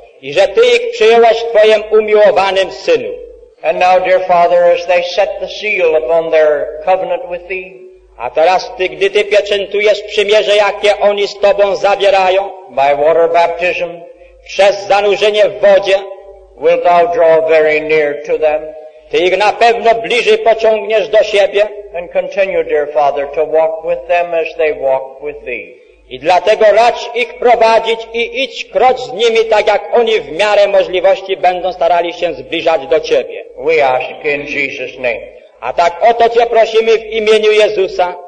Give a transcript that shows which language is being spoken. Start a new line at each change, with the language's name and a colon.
Polish: i że Ty ich przyjęłaś w Twoim umiłowanym Synu.
English: And now, dear Father, as they set the seal upon their covenant with Thee,
Polish: a teraz Ty, gdy Ty pieczętujesz przymierze, jakie oni z Tobą zawierają,
English: by water baptism,
Polish: przez zanurzenie w wodzie,
English: wilt Thou draw very near to them,
Polish: Ty ich na pewno bliżej pociągniesz do siebie,
English: and continue, dear Father, to walk with them as they walk with Thee.
Polish: I dlatego racz ich prowadzić i idź krocz z nimi, tak jak oni w miarę możliwości będą starali się zbliżać do Ciebie.
English: We ask in Jesus' name.
Polish: A tak o to Cię prosimy w imieniu Jezusa.